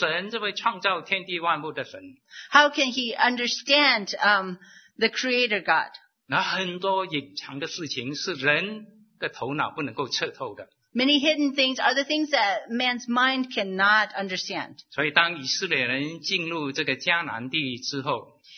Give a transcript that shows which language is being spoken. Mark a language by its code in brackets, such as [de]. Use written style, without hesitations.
[zh] 怎么能够完全明白这位神,这位创造天地万物的神? [en] How can he understand the Creator God? [zh] 那很多隐藏的事情是人的头脑不能够彻透的. [en] Many hidden things are the things that man's mind cannot understand. [zh] 所以当以色列人进入这个迦南地之后,